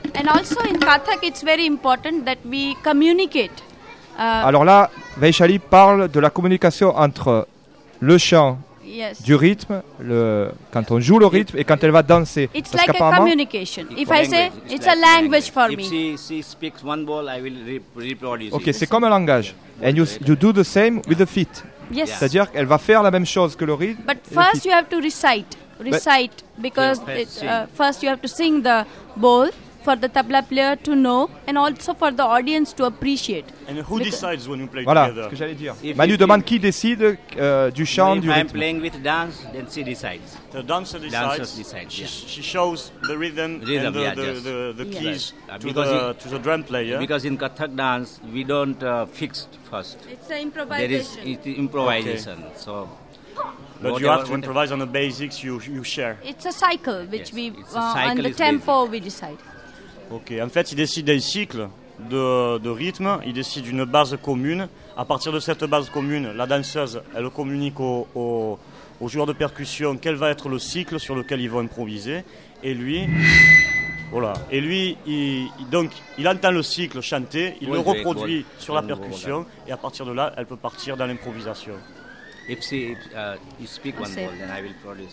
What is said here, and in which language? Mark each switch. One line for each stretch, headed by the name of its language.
English: Also in Kathak, it's very important that we communicate.
French: Alors là, Veichali parle de la communication entre le chant du rythme, quand on joue le rythme, et quand elle va danser.
English: It's parce like a communication. If I say, it's like a language for me. If she speaks one ball, I will reproduce.
French: Ok, c'est comme un langage.
English: And you do the same with the feet. Yes.
French: C'est-à-dire qu'elle va faire la même chose que le rythme.
English: But first you have to recite, because first you have to sing the ball. For the tabla player to know and also for the audience to appreciate. And who decides when you play
French: voilà,
English: together?
French: Ce que j'allais dire. If Manu demande qui décide du chant, du rythme.
English: If I'm playing with dance, then she decides. The dancer decides. She shows the rhythm and the keys to the drum player. Because in Kathak dance, we don't fix first. It's an improvisation. It's improvisation. Okay. So. But whatever, you have to improvise on the basics you share. It's a cycle which we on the tempo basic. We decide.
French: Ok, en fait, il décide un cycle de rythme, il décide une base commune. À partir de cette base commune, la danseuse, elle communique au joueur de percussion quel va être le cycle sur lequel ils vont improviser. Et lui, voilà. Et lui, il entend le cycle chanté, il le reproduit sur la percussion, et à partir de là, elle peut partir dans l'improvisation.
English: If you speak one ball, then I will produce.